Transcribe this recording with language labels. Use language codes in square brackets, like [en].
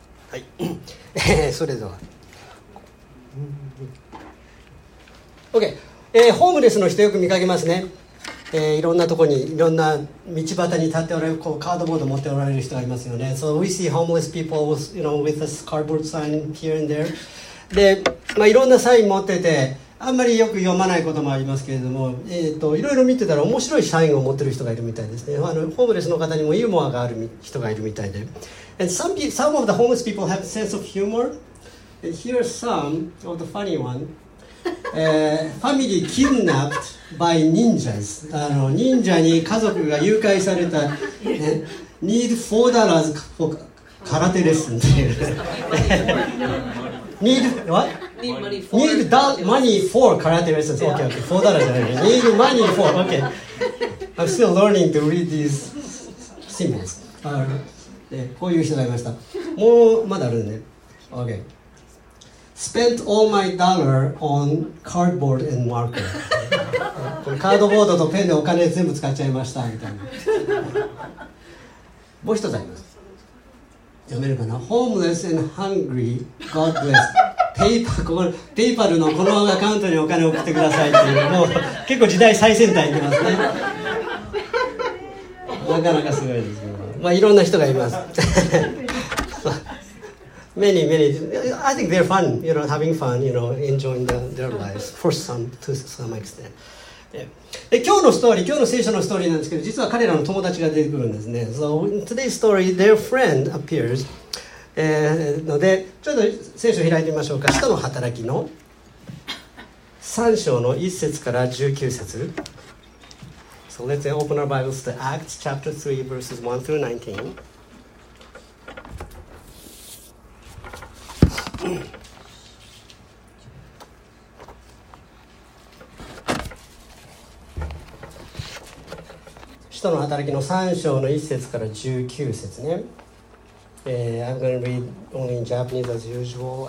[ja] はい、それでは OK、ホームレスの人よく見かけますね、いろんなとこにいろんな道端に立っておられる、こうカードボード持っておられる人がいますよね。 [en] So we see homeless people with, you know, with a cardboard sign here and there. [ja] で、まあ、いろんなサイン持っててあんまりよく読まないこともありますけれども、いろいろ見てたら面白いサインを持ってる人がいるみたいですね。あのホームレスの方にもユーモアがある人がいるみたいで。 [en] And some of the homeless people have a sense of humor. And here are some of the funny ones. [ja] ファミリーキドナップバイニンジャーズ、あの忍者に家族が誘拐された。 [en] Need $4 for 空手レッスン [ja] っていう。 [en] Need what? Need money for 空手レッスン。 OK OK $4 [ja] じゃない。 [en] Need money for OK. I'm still learning to read these symbols. [ja] こういう人がいました。もうまだあるね。 [en] OKSpent all my dollar on cardboard and marker. [ja] カードボードとペンでお金全部使っちゃいましたみたいな。もう一つあります。読めるかな。 [en] Homeless and hungry, God bless. [ja] PayPal のこのアカウントにお金送ってくださいっていう。もう結構時代最先端いきますね。なかなかすごいですけど。まあいろんな人がいます。 [en] Many, many. I think they're fun, you know, having fun, you know, enjoying their lives for some, to some extent. [ja] で、今日のストーリー、今日の聖書のストーリーなんですけど、実は彼らの友達が出てくるんですね。 [en] So, in today's story, their friend appears. [ja] ので、ちょっと聖書を開いてみましょうか。使徒の働きの3章の1節から19節。 [en] So, let's open our Bibles to Acts chapter 3, verses 1 through 19. [ja] 使徒の働きの3章の1節から19節ね。 [en] I'm going to read only in Japanese as usual.